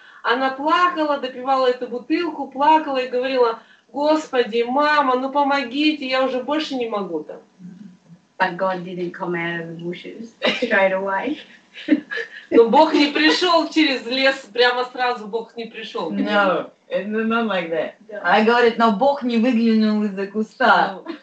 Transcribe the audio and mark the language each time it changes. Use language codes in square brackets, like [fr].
[ru] Она плакала, допивала эту бутылку, плакала и говорила: «Господи, мама, ну помогите, я уже больше не могу там». [en] But God didn't come out of the bushes straight away. [ru] Но Бог не пришел через лес, прямо сразу Бог не пришел. [en] No, not like that. [ru] Она говорит, но Бог не выглянул из-за куста.